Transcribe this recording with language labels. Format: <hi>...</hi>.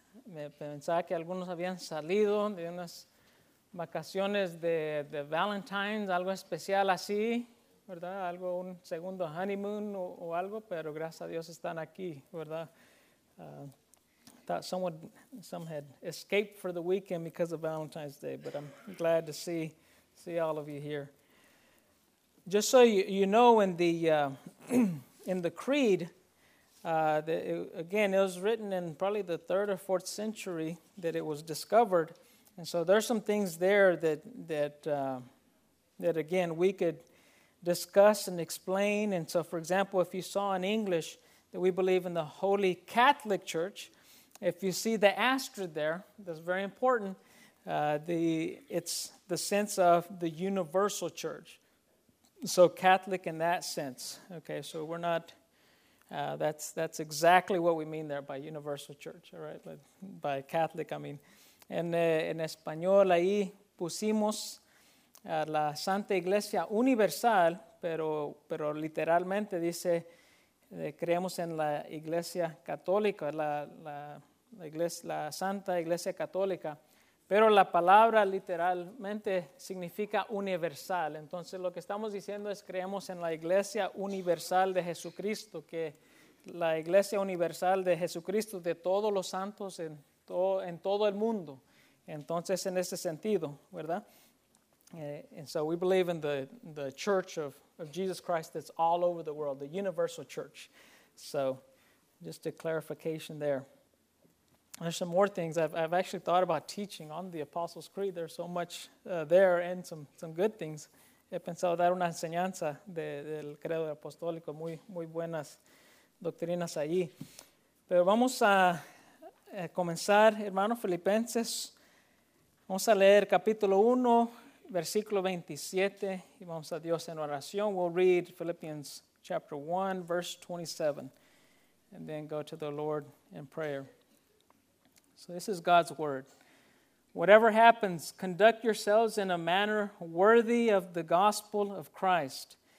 <es>Me pensaba que algunos habían salido de unas vacaciones de Valentine's, algo especial así, ¿verdad? Algo, un segundo honeymoon o algo, pero gracias a Dios están aquí, ¿verdad?</es> <en>Thought some had escaped for the weekend because of Valentine's Day, but I'm glad to see all of you here. Just so you know, in the creed, it was written in probably the 3rd or 4th century that it was discovered, and so there's some things there that again we could discuss and explain. And so, for example, if you saw in English that we believe in the Holy Catholic Church. If you see the asterisk there, that's very important. It's the sense of the universal church. So Catholic in that sense. Okay, so we're not, that's exactly what we mean there by universal church, all right? But by Catholic, I mean.</en> <es>En español, ahí pusimos la Santa Iglesia Universal, pero literalmente dice, creemos en la Iglesia Católica, la Santa Iglesia Católica, pero la palabra literalmente significa universal. Entonces lo que estamos diciendo es creemos en la Iglesia Universal de Jesucristo, que la Iglesia Universal de Jesucristo de todos los santos en todo el mundo. Entonces en ese sentido, ¿verdad?</es> <en>And so we believe in the Church of Jesus Christ that's all over the world, the universal church. So just a clarification there. There's some more things I've actually thought about teaching on the Apostles' Creed. There's so much there and some good things.</en> <es>He pensado dar una enseñanza del credo apostólico, muy muy buenas doctrinas allí. Pero vamos a comenzar, hermano Filipenses. Vamos a leer capítulo 1, versículo 27, y vamos a Dios en oración.</es> <en>We'll read Philippians chapter 1, verse 27, and then go to the Lord in prayer. So this is God's word. Whatever happens, conduct yourselves in a manner worthy of the gospel of Christ.</en>